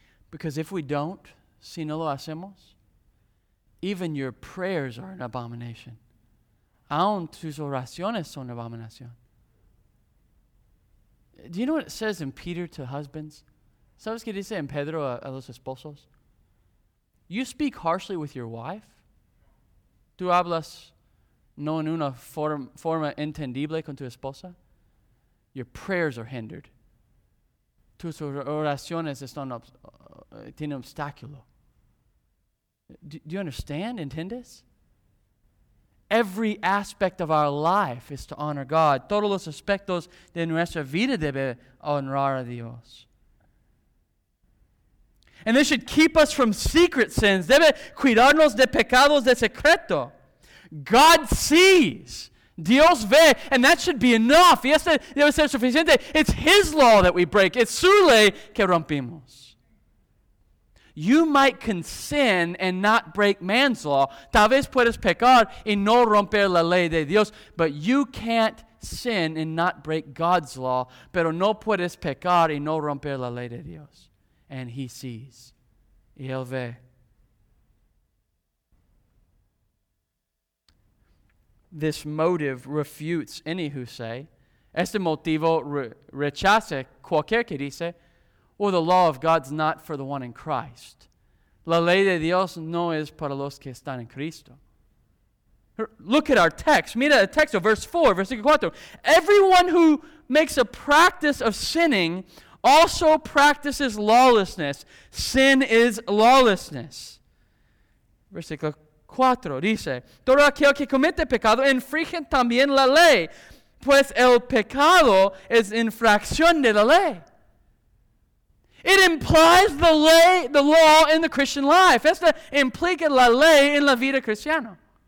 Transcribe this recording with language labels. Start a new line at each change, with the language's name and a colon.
English: Because if we don't,
Spanish: si no lo hacemos,
English: even your prayers are an abomination.
Spanish: Aun tus oraciones son abominación.
English: Do you know what it says in Peter to husbands?
Spanish: ¿Sabes qué dice en Pedro a los esposos?
English: You speak harshly with your wife.
Spanish: Tú hablas no en una forma entendible con tu esposa.
English: Your prayers are hindered.
Spanish: Tus oraciones están tienen obstáculo.
English: Do you understand?
Spanish: ¿Entiendes?
English: Every aspect of our life is to honor God.
Spanish: Todos los aspectos de nuestra vida debe honrar a Dios.
English: And this should keep us from secret sins.
Spanish: Debe cuidarnos de pecados de secreto.
English: God sees.
Spanish: Dios ve.
English: And that should be enough.
Spanish: Y este debe ser suficiente.
English: It's His law that we break.
Spanish: It's su ley que rompimos.
English: You might can sin and not break man's law.
Spanish: Tal vez puedes pecar y no romper la ley de Dios.
English: But you can't sin and not break God's law.
Spanish: Pero no puedes pecar y no romper la ley de Dios.
English: And He sees.
Spanish: Y Él ve.
English: This motive refutes any who say.
Spanish: Este motivo rechaza cualquier que dice.
English: Well, the law of God's not for the one in Christ.
Spanish: La ley de Dios no es para los que están en Cristo.
English: Look at our text.
Spanish: Mira el texto,
English: verse 4,
Spanish: versículo 4.
English: Everyone who makes a practice of sinning also practices lawlessness. Sin is lawlessness.
Spanish: Versículo 4 dice, todo aquel que comete pecado infringe también la ley, pues el pecado es infracción de la ley.
English: It implies the law in the Christian life.
Spanish: Esto implica la ley en la vida cristiana.